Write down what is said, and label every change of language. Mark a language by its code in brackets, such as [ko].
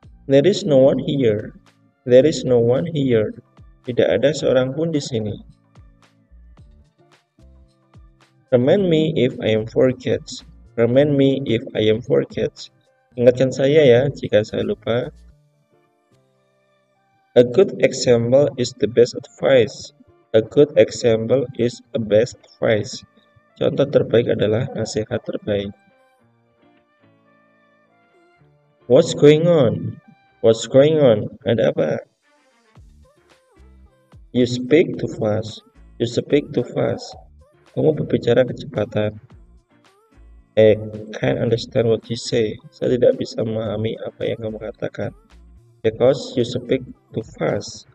[en] There is no one here. There is no one here. [id] Tidak ada seorang pun di sini. [en] Remind me if I am forget. Remind me if I am forget. [id] Ingatkan saya ya jika saya lupa. [en] A good example is the best advice. A good example is the best advice. [id] Contoh terbaik adalah nasihat terbaik. [en] What's going on? What's going on? [id] Ada apa? [en] You speak too fast. You speak too fast. [id] Kamu berbicara kecepatan. [en] I can't understand what you say. [id] Saya tidak bisa memahami apa yang kamu katakan. [en] Because you speak too fast.